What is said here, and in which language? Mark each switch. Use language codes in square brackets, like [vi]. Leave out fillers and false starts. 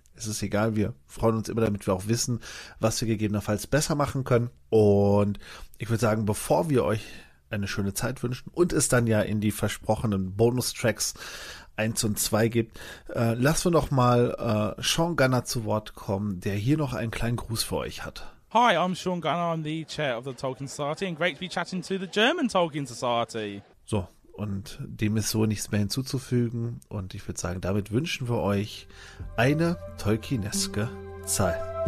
[de] Es ist egal, wir freuen uns immer, damit wir auch wissen, was wir gegebenenfalls besser machen können. Und ich würde sagen, bevor wir euch eine schöne Zeit wünschen und es dann ja in die versprochenen Bonustracks 1 und 2 gibt, lassen wir noch mal Sean Gunner zu Wort kommen, der hier noch einen kleinen Gruß für euch hat. [en] Hi, I'm Sean Gunner, I'm the chair of the Tolkien Society and great to be chatting to the German Tolkien Society. [de] So, und dem ist so nichts mehr hinzuzufügen und ich würde sagen, damit wünschen wir euch eine tolkieneske Zeit.